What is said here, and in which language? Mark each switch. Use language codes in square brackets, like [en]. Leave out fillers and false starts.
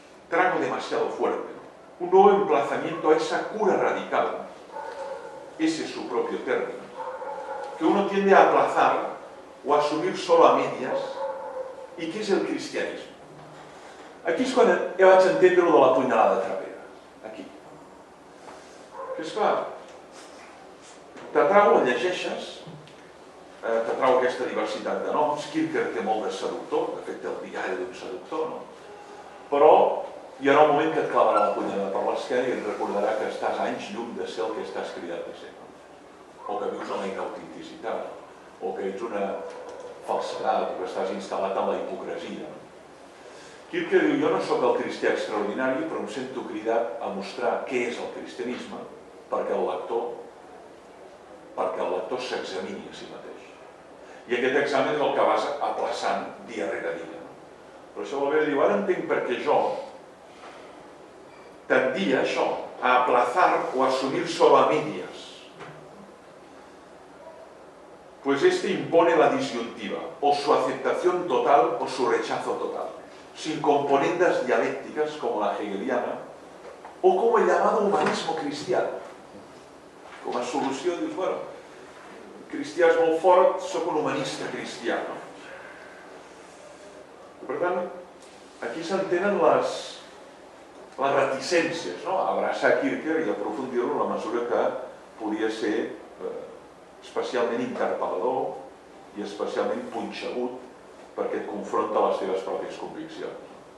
[es] Trago demasiado fuerte. Un nou emplazamiento a esa cura radical. Ese es su propio término. Que uno tiende a aplazar o a asumir solo a medias. ¿Y qué es el cristianismo? Aquí es cuando yo [ca] vaig entendre [es] lo de la puñalada de Trapera. [ca] Aquí. Que es clar. T'atrau, el llegeixes, t'atrau aquesta diversitat de noms, Kierkegaard té molt de seductor, de fet té el diari d'un seductor, no? Però hi haurà un moment que et clavarà la punyada per l'esquena i et recordarà que estàs anys lluny de ser el que estàs cridat a ser, no? O que vius en la inautenticitat, o que ets una falsedat, o que estàs instal·lat en la hipocresia. Kierkegaard diu, jo no sóc el cristià extraordinari, però em sento cridat a mostrar què és el cristianisme, perquè el lector s'examini a si mateix. I aquest examen és el que vas aplaçant dia rere dia. Però això vol dir, ara entenc per què jo tendia això, a aplaçar o a assumir [es] solo a medias. Pues este impone la disyuntiva, o su aceptación total o su rechazo total, sin componendas dialécticas como la hegeliana, o como el llamado humanismo cristiano. [ca] Com a solució, dius, bueno, cristià és molt fort, sóc un humanista cristià, no? Per tant, aquí s'entenen les reticències, no? Abraçar Kierkegaard i aprofundir-lo en la mesura que podia ser especialment interpel·lador i especialment punxegut perquè et confronta les teves pròpies conviccions.